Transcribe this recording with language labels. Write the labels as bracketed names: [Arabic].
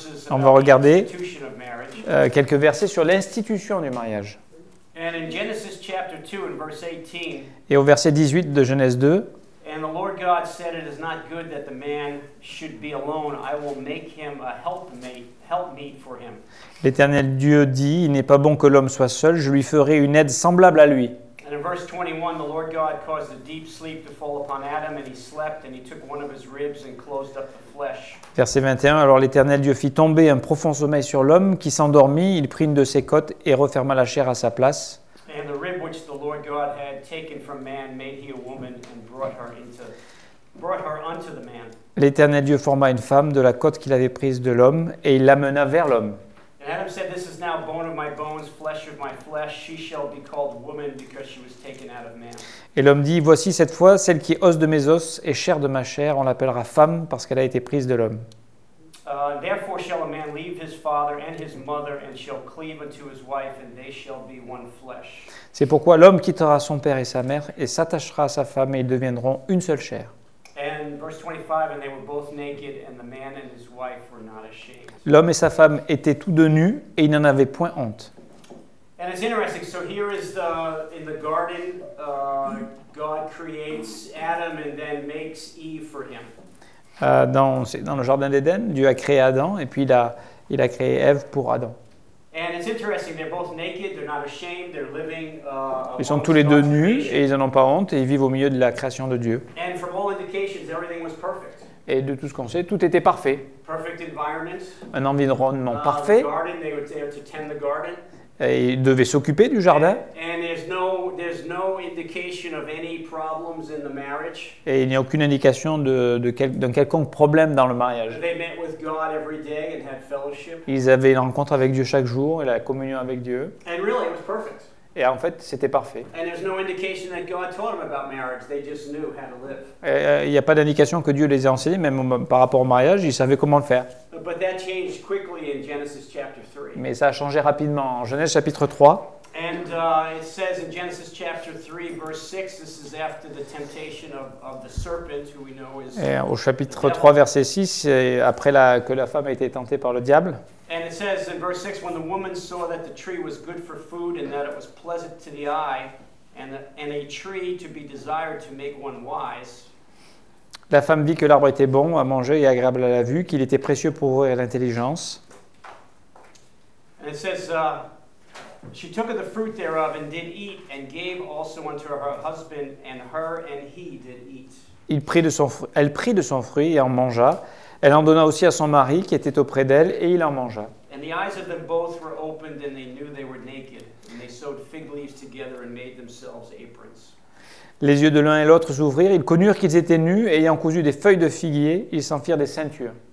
[French] On va regarder quelques versets sur l'institution du mariage. [English] And in Genesis chapter 2 and verse 18, [French] et au verset 18 de Genèse 2, [English] and the Lord God said, it is not good that the man should be alone. I will make him a helpmeet for him. [French] L'Éternel Dieu dit, il n'est pas bon que l'homme soit seul, je lui ferai une aide semblable à lui. [English] And in verse 21, the Lord God caused a deep sleep to fall upon Adam, and he slept, and he took one of his ribs and closed up the flesh. [French] Verset 21, alors l'Éternel Dieu fit tomber un profond sommeil sur l'homme, qui s'endormit, il prit une de ses côtes et referma la chair à sa place. [English] And the rib which the Lord God had taken from man made he a woman and brought her into brought her unto the man. [French] L'Éternel Dieu forma une femme de la côte qu'il avait prise de l'homme et il l'amena vers l'homme. [English] And Adam said, this is now bone of my bones, flesh of my flesh. She shall be called woman because she was taken out of man. [French] Et l'homme dit, voici cette fois, celle qui est os de mes os et chair de ma chair, on l'appellera femme parce qu'elle a été prise de l'homme. [English] Therefore shall a man leave his father and his mother and shall cleave unto his wife and they shall be one flesh. [French] C'est pourquoi l'homme quittera son père et sa mère et s'attachera à sa femme et ils deviendront une seule chair. [English] And verse 25, and they were both naked and the man and his wife were not ashamed. [French] L'homme et sa femme étaient tous deux nus et ils n'en avaient point honte. [English] And it's interesting, so here is the, in the garden, God creates Adam and then makes Eve for him. [French] Dans le jardin d'Éden, Dieu a créé Adam et puis il a créé Ève pour Adam. [English] And it's interesting, they're both naked, they're not ashamed, they're living [French] ils sont tous les deux nus et ils n'en ont pas honte et ils vivent au milieu de la création de Dieu. [English] And from all indications, everything was perfect. [French] Et de tout ce qu'on sait, tout était parfait. [English] Perfect environment. [French] Un environnement parfait. [English] The garden, they were there to tend the garden. [French] Et ils devaient s'occuper du jardin. [English] And there's no indication of any problems in the marriage. [French] Et il n'y a aucune indication d'un quelconque problème dans le mariage. [English] They met with God every day and had fellowship. [French] Ils avaient une rencontre avec Dieu chaque jour et la communion avec Dieu. [English] And really, it was perfect. [French] Et en fait, c'était parfait. [English] And there's no indication that God taught them about marriage. They just knew how to live. [French] Il n'y a pas d'indication que Dieu les ait enseignés, même par rapport au mariage, ils savaient comment le faire. [English] But that changed quickly in Genesis chapter 3. [French] Mais ça a changé rapidement en Genèse chapitre 3. [English] And it says in Genesis chapter 3 verse 6, this is after the temptation of the serpent, who we know is. [French] Et au chapitre 3 verset 6, après que la femme a été tentée par le diable. [English] And it says in verse 6, when the woman saw that the tree was good for food and that it was pleasant to the eye, and a tree to be desired to make one wise. [French] La femme vit que l'arbre était bon à manger et agréable à la vue, qu'il était précieux pour ouvrir l'intelligence. [English] And it says, she took of the fruit thereof and did eat, and gave also unto her husband, and her and he did eat. [French] Elle prit de son fruit et en mangea. Elle en donna aussi à son mari qui était auprès d'elle et il en mangea. [English] And the eyes of them both were opened and they knew they were naked. And they sewed fig leaves together and made themselves aprons. [French] Les yeux de l'un et l'autre s'ouvrirent, ils connurent qu'ils étaient nus, et ayant cousu des feuilles de figuier, ils s'en firent des ceintures.